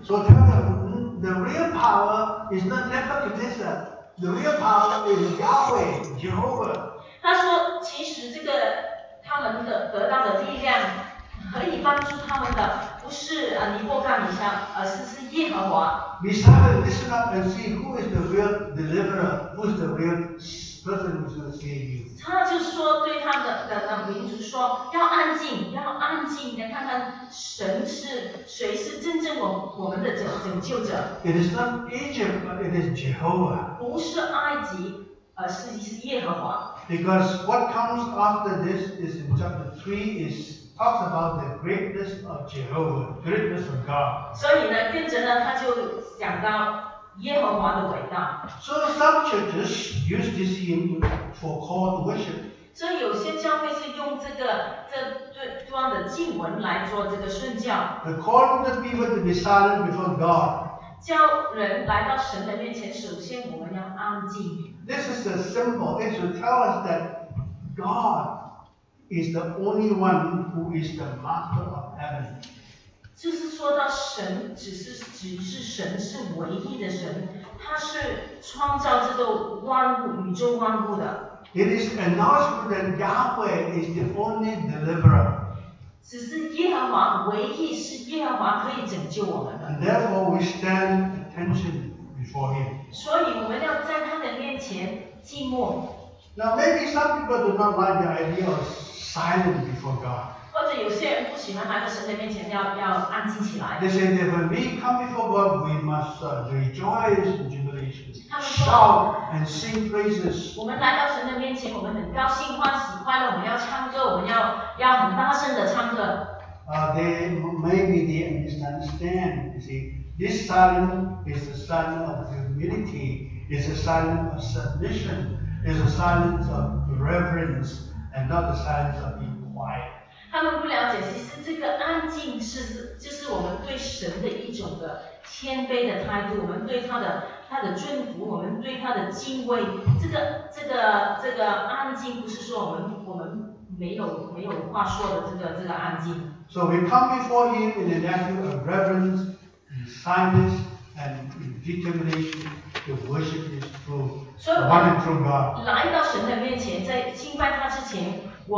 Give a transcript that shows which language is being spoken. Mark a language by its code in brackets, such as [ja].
[en] So tell them, the real power is not Nebuchadnezzar, the real power is Yahweh, Jehovah. [zh] 他说，其实这个他们的得到的力量可以帮助他们的，不是尼布甲尼撒，而是耶和华。 [en] Be silent, listen up, and see who is the real deliverer, who is the real person who is going to save you. [zh] 他就是说对他们的民族说，要安静，要安静的看看神是谁是真正我们的拯救者。 [en] It is not Egypt, but it is Jehovah. [zh] 不是埃及，而是耶和华。 [en] Because what comes after this is in chapter 3 is talks about the greatness of Jehovah, greatness of God. [zh] 所以呢，跟着呢，他就讲到耶和华的伟大。 [en] So some churches use this hymn for call to worship. [zh] 所以有些教会是用这个这段的经文来做这个宣教。 [en] The call to the people to be silent before God. [zh] 叫人来到神的面前，首先我们要安静。 [en] This is a symbol. It should tell us that God is the only one who is the master of heaven. [zh] 就是说到神只是神是唯一的神，他是创造这个万物宇宙万物的。 [en] It is announced that Yahweh is the only deliverer. [zh] 只是耶和华唯一是耶和华可以拯救我们的。 [en] And therefore we stand attention before him. [zh] 所以我们要在他的面前静默。 [en] Now maybe some people do not like the idea of silent before God. [zh] 或者有些人不喜欢来到神的面前要安静起来。 [en] They say that when we come before God, we must rejoice in jubilation, shout and sing praises. [zh] 我们来到神的面前，我们很高兴欢喜快乐，我们要唱歌，我们要很大声的唱歌。 [en] they maybe they misunderstand. You see, this silent is a silent of humility, is a silent of submission, is a silent of reverence, and not a silent of being quiet. [zh] 他们不了解，其实这个安静是我们对神的一种的谦卑的态度，我们对他的尊服，我们对他的敬畏。这个安静不是说我们没有话说的这个安静。 [en] So we come before Him in an attitude of reverence, and silence, and determination to worship His true, one and true God. [zh] 来到神的面前，在敬拜他之前。